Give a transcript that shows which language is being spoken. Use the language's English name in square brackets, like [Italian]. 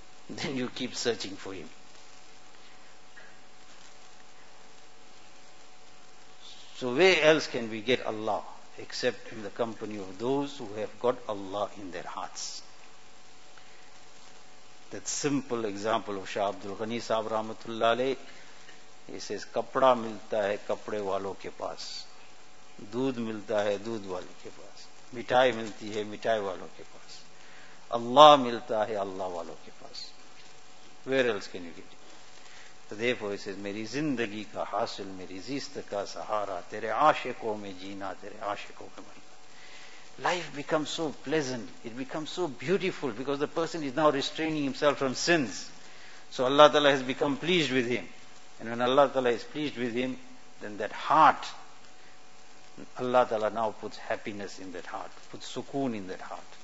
[English] Then you keep searching for him. So where else can we get Allah except in the company of those who have got Allah in their hearts? That simple example of Shah Abdul Ghani Sahib Rahmatullah Alayh, he says, [Urdu] kapda milta hai kapde walo ke paas, دودھ ملتا ہے دودھ والے کے پاس، مٹھائی ملتی ہے مٹھائی والوں کے پاس، اللہ ملتا ہے اللہ والوں کے پاس. [English] Where else can you get it? Therefore he says, [Urdu] میری زندگی کا حاصل، میری زیست کا سہارا، تیرے عاشقوں میں جینا، تیرے عاشقوں میں مرنا. [English] Life becomes so pleasant, it becomes so beautiful, because the person is now restraining himself from sins. So Allah Ta'ala has become pleased with him. And when Allah Ta'ala is pleased with him, then that heart, Allah Ta'ala now puts happiness in that heart, puts sukoon in that heart.